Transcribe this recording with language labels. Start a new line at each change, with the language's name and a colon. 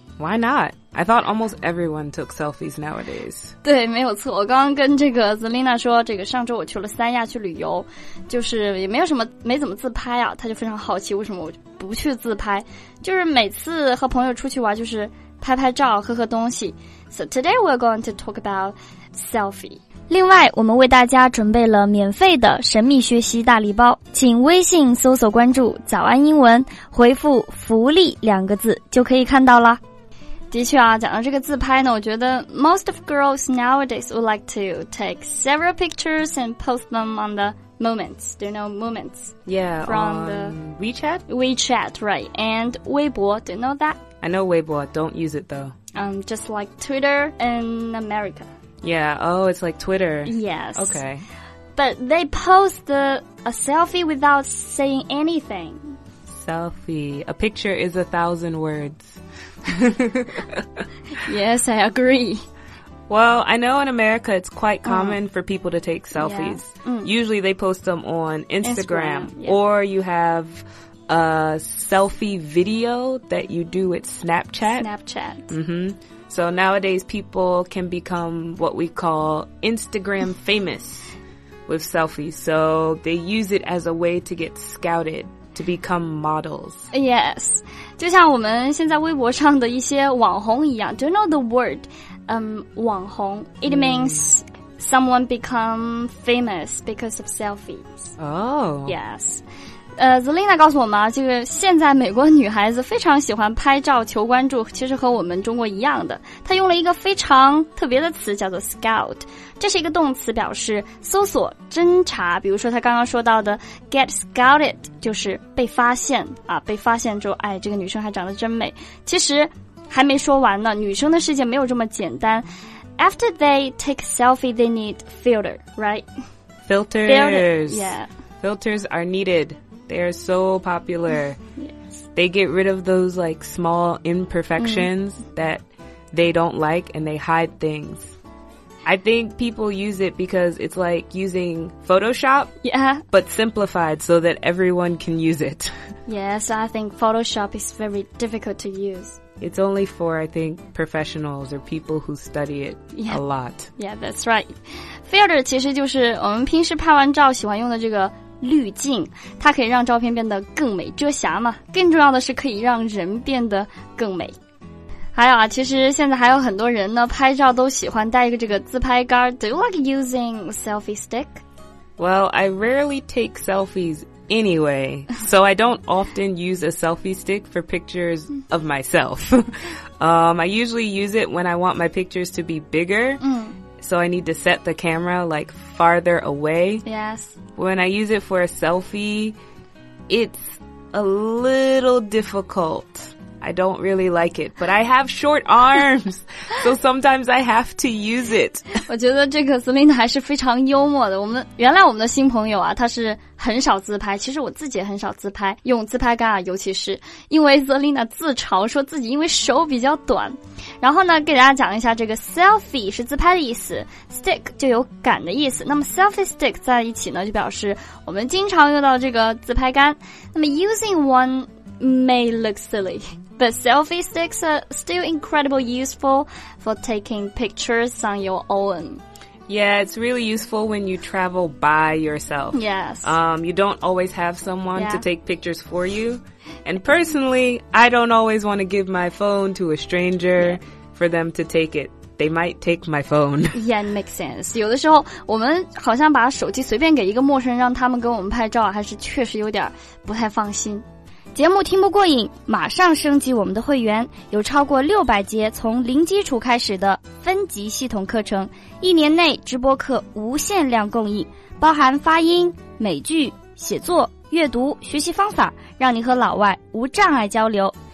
English: Why not? I thought almost everyone took selfies nowadays.
Chinese: 对，没有错。我刚刚跟这个 Zelina 说，这个上周我去了三亚去旅游，就是也没有什么，没怎么自拍啊。他就非常好奇，为什么我不去自拍？就是每次和朋友出去玩，就是拍拍照，喝喝东西。
English: So today we're going to talk about selfie.
Chinese: 另外，我们为大家准备了免费的神秘学习大礼包，请微信搜索关注“早安英文”，回复“福利”两个字就可以看到了。的确啊，讲到这个自拍呢，我觉得
English: most of girls nowadays would like to take several pictures and post them on the moments, do you know moments? Yeah, from WeChat? WeChat, right. And Weibo, do you know that? I know Weibo, don't use it though. Just like Twitter in America. Yeah, oh, it's like Twitter. Yes. Okay. But they post a selfie without saying anything. Selfie. A picture is 1,000 words. Yes, I agree. Well, I know in America it's quite common for people to take selfies. Yeah. Usually they post them on Instagram. Yeah. Or you have a selfie video that you do with Snapchat. Snapchat. Mm-hmm. So nowadays people can become what we call Instagram famous with selfies. So they use it as a way to get scouted. To become models. Yes.
Chinese: 就像我们现在微博上的一些网红一样。
English: Do you know the word, 网红 It means someone become famous because of selfies. Oh. Yes.
Chinese: Zelina 告诉我们啊，这个现在美国女孩子非常喜欢拍照求关注，其实和我们中国一样的。她用了一个非常特别的词叫做 scout。这是一个动词，表示搜索、侦查。比如说她刚刚说到的 get scouted, 就是被发现啊，被发现之后，哎，这个女生还长得真美。其实还没说完呢，女生的世界没有这么简单。
English: After they take selfie, they need filter, right? Filters. Filters, yeah. Filters are needed. They are so popular. Yes. They get rid of those like small imperfections that they don't like and they hide things. I think people use it because it's like using Photoshop, yeah, but simplified so that everyone can use it. Yes, I think Photoshop is very difficult to use. It's only for, I think, professionals or people who study it a lot. Yeah, that's right.
Chinese: Filter 其实就是我们平时拍完照喜欢用的这个滤镜，它可以让照片变得更美，遮瑕嘛。更重要的是可以让人变得更美。还有啊，其实现在还有很多人呢，拍照都喜欢带一个这个自拍杆。
English: Do you like using selfie stick? Well, I rarely take selfies anyway, so I don't often use a selfie stick for pictures of myself. I usually use it when I want my pictures to be bigger. So I need to set the camera, like, farther away. Yes. When I use it for a selfie, it's a little difficult. I don't really like it, but I have short arms, so sometimes I have to use it.
Chinese: 我觉得这个 Selina 还是非常幽默的。原来我们的新朋友啊，他是很少自拍，其实我自己也很少自拍，用自拍杆啊，尤其是因为 Selina 自嘲说自己因为手比较短。然后呢，给大家讲一下这个 selfie 是自拍的意思 ，stick 就有杆的意思。那么 selfie stick 在一起呢，就表示我们经常用到这个自拍杆。
English: 那么 using one may look silly, but selfie sticks are still incredibly useful for taking pictures on your own. Yeah, it's really useful when you travel by yourself. Yes. You don't always have someone to take pictures for you. And personally, I don't always want to give my phone to a stranger for them to take it. They might take my phone. Yeah, it makes sense.
Chinese: 有的时候我们好像把手机随便给一个陌生人让他们给我们拍照还是确实有点不太放心。节目听不过瘾，马上升级我们的会员，有超过600节从零基础开始的分级系统课程，一年内直播课无限量供应，包含发音、美剧、写作、阅读、学习方法，让你和老外无障碍交流。